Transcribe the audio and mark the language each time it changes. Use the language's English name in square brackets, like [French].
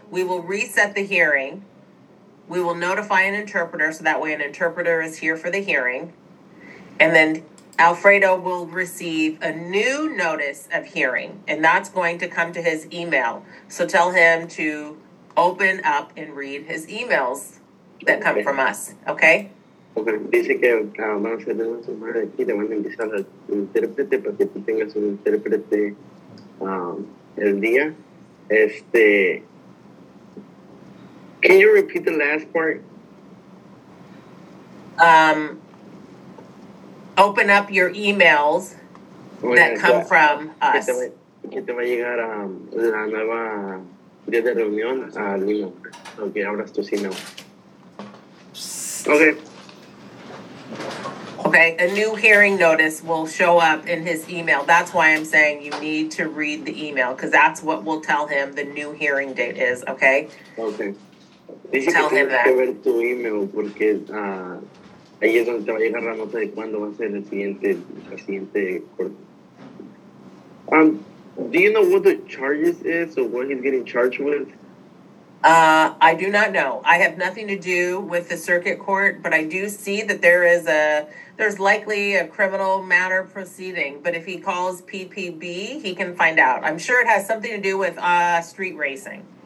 [English] We will reset the hearing. We will notify an interpreter, so that way an interpreter is here for the hearing. And then Alfredo will receive a new notice of hearing, and that's going to come to his email. So tell him to open up and read his emails that come from us, okay? Okay. [Spanish] Dice que van a hacer una llamada aquí, le van a enviar al intérprete para que tú tengas un intérprete el día. [English] Can you repeat the last part? Open up your emails that come from us. [Spanish] Que te va a llegar la nueva día de reunión al email. Okay, abras tus emails. [English] Okay, a new hearing notice will show up in his email. That's why I'm saying you need to read the email, because that's what will tell him the new hearing date is, okay? Okay. [Spanish] Dice [English] tell [Spanish] que [English] him that. [Spanish] Que ver tu email porque ahí es donde te va a llegar la nota de cuándo va a ser el siguiente corte. [English] Do you know what the charges is or what he's getting charged with? I do not know. I have nothing to do with the circuit court, but I do see that there's likely a criminal matter proceeding. But if he calls PPB, he can find out. I'm sure it has something to do with street racing.